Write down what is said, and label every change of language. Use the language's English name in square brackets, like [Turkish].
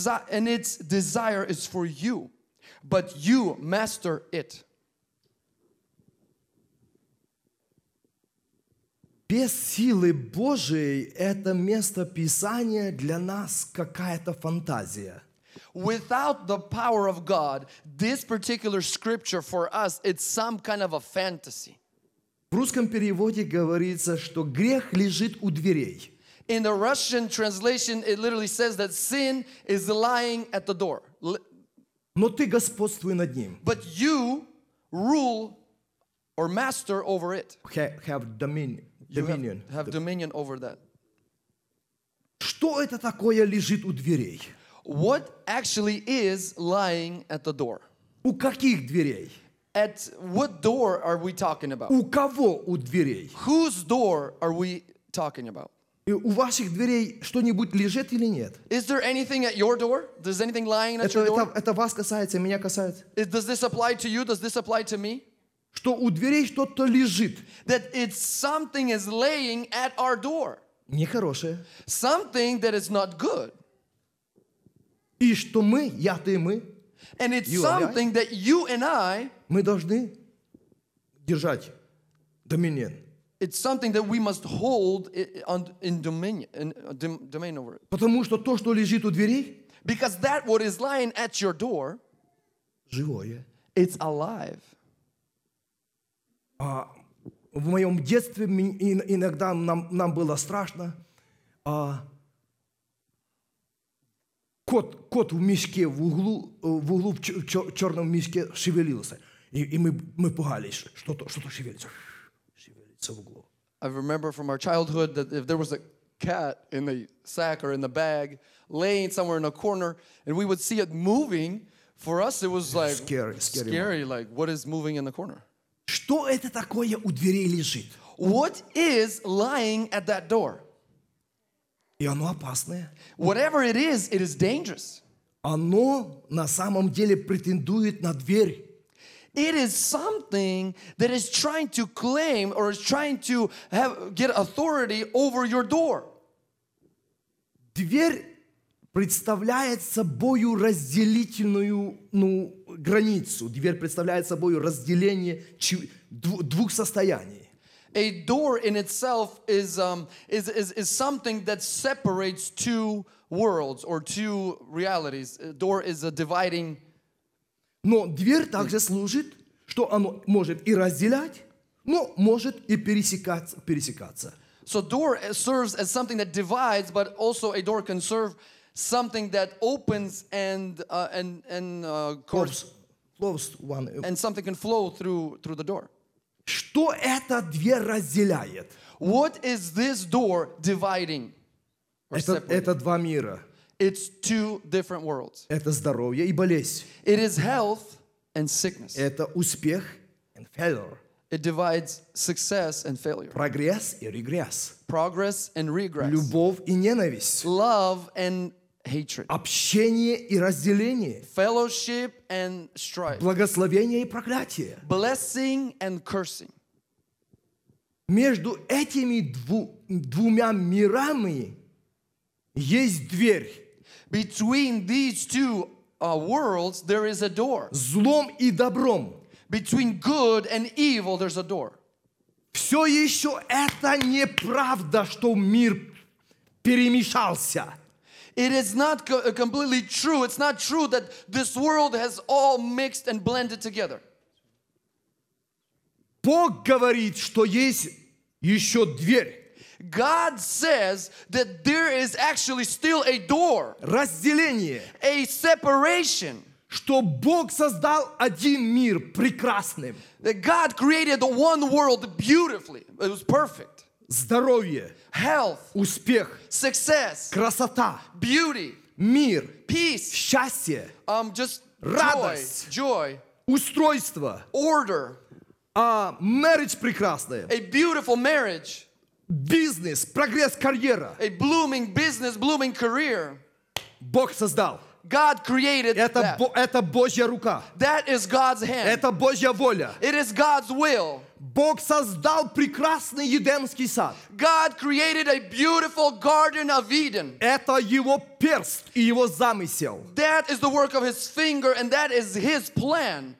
[English] And its desire is for you, but you master it. [Russian] Без силы Божией это место Писания для нас какая-то фантазия. [English] Without the power of God, this particular scripture for us, it's some kind of a fantasy. [Russian] В русском переводе говорится, что грех лежит у дверей. [English] In the Russian translation, it literally says that sin is lying at the door. [Russian] Но ты господствуй над ним. [English] But you rule or master over it. Have dominion. You have dominion over that. [Russian] Что это такое лежит у дверей? [English] What actually is lying at the door? [Russian] У каких дверей? [English] At what door are we talking about? [Russian] У кого у дверей? [English] Whose door are we talking about? [Russian] И у ваших дверей что-нибудь лежит или нет? [English] Is there anything at your door? Is anything lying at your door? [Russian] Это вас касается, меня касается. [English] Does this apply to you? Does this apply to me? [Russian] Что у дверей что-то лежит. [English] That it's something is laying at our door. [Russian] Нехорошее. [English] Something that is not good. [Russian] И что мы, я, ты, мы. [English] And it's something that you and I. [Russian] Мы должны держать доминион. [English] It's something that we must hold in domain over it. [Russian] Потому что то, что лежит у дверей. [English] Because that what is lying at your door. [Russian] Живое. [English] It's alive. [Russian] В моем детстве иногда нам было страшно. Кот в мешке в углу в черном мешке шевелился. И мы пугались, что-то шевелится в углу. [English] I remember from our childhood that if there was a cat in the sack or in the bag laying somewhere in a corner and we would see it moving, for us it was like scary, like what is moving in the corner? [Russian] Что это такое у дверей лежит? [English] What is lying at that door? [Russian] И оно опасное. [English] Whatever it is dangerous. [Russian] Оно на самом деле претендует на дверь. [English] It is something that is trying to claim or is trying to get authority over your door. [Russian] Дверь представляет собой разделительную, границу. Дверь представляет собой разделение двух состояний. [English] A door in itself is something that separates two worlds or two realities. A door is a dividing. [Russian] Но дверь также служит, что оно может и разделять, но может и пересекаться. [English] So door serves as something that divides, but also a door can serve something that opens and something can flow through the door. [Russian] Что эта дверь разделяет? [English] What is this door dividing? [Russian] Это два мира. [English] It's two different worlds. [Russian] Это здоровье и болезнь. [English] It is health and sickness. [Russian] Это успех [English] and failure. It divides success and failure. [Russian] Прогресс и регресс. [English] Progress and regress. [Russian] Любовь и ненависть. [English] Love and hatred. [Russian] Общение и разделение. [English] Fellowship and strife. [Russian] Благословение и проклятие. [English] Blessing and cursing. [Russian] Между этими двумя мирами есть дверь. [English] Between these two worlds, there is a door. [Russian] Злом и добром. [English] Between good and evil, there's a door. [Russian] Все еще это неправда, что мир перемешался. [English] It is not completely true. It's not true that this world has all mixed and blended together. [Russian] Бог говорит, что есть еще дверь. [English] God says that there is actually still a door. [Russian] Разделение. [English] A separation. [Russian] Что Бог создал один мир прекрасным. [English] That God created one world beautifully. It was perfect. [Russian] Здоровье. [English] Health. [Russian] Успех. [English] Success. [Russian] Красота. [English] Beauty. [Russian] Мир. [English] Peace. [Russian] Счастье. [English] Just [Russian] радость. [English] Joy. [Russian] Устройство. [English] Order. [Russian] Marriage прекрасное. [English] A beautiful marriage. [Russian] Бизнес, прогресс, карьера. [English] A blooming business, blooming career. [Russian] Бог создал. [English] God created [Russian] это [English] that. [Russian] Это Божья рука. [English] That is God's hand. [Russian] Это Божья воля. [English] It is God's will. [Russian] Бог создал прекрасный Едемский сад. [English] God created a beautiful garden of Eden. [Russian] Это его перст и его замысел. [English] That is the work of his finger and that is his plan.